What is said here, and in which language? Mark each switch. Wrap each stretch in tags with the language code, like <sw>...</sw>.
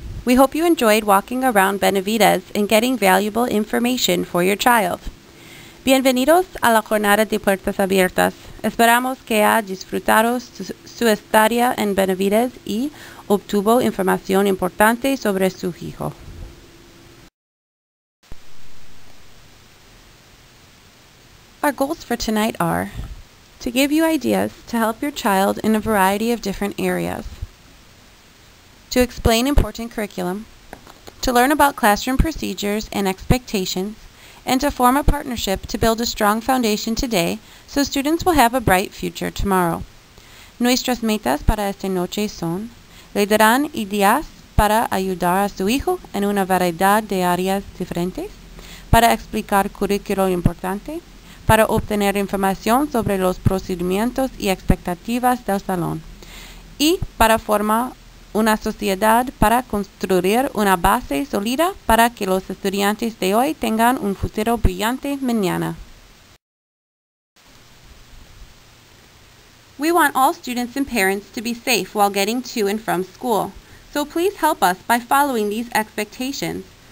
<en>We hope you enjoyed walking around Benavides and getting valuable information for your child.</en> <es>Bienvenidos a la jornada de puertas abiertas. Esperamos que ha disfrutado su estadía en Benavides y obtuvo información importante sobre su hijo.</es> <en>Our goals for tonight are to give you ideas to help your child in a variety of different areas, to explain important curriculum, to learn about classroom procedures and expectations, and to form a partnership to build a strong foundation today so students will have a bright future tomorrow.</en> <es>Nuestras metas para esta noche son, le darán ideas para ayudar a su hijo en una variedad de áreas diferentes, para explicar curriculum importante, para obtener información sobre los procedimientos y expectativas del salón, y para formar una sociedad para construir una base sólida para que los estudiantes de hoy tengan un futuro brillante mañana.</es> <en>We want all students and parents to be safe while getting to and from school, so please help us by following these expectations.</en>